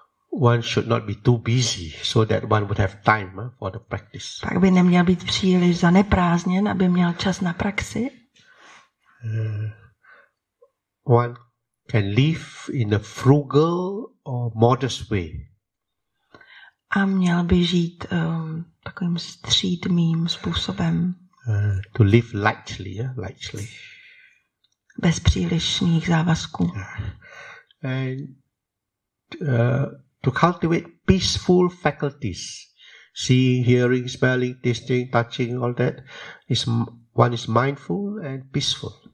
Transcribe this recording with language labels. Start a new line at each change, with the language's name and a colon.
English: one should not be too busy so that one would have time for the practice.
Czech: Tak by neměl být příliš zaneprázdněn, aby měl čas na praxi.
English: One can live in a frugal or modest way.
Czech: A měl by žít takovým střídmým způsobem.
English: To live lightly, lightly.
Czech: Bez přílišných závazků.
English: And to cultivate peaceful faculties, seeing, hearing, smelling, tasting, touching, all that, is one is mindful and peaceful.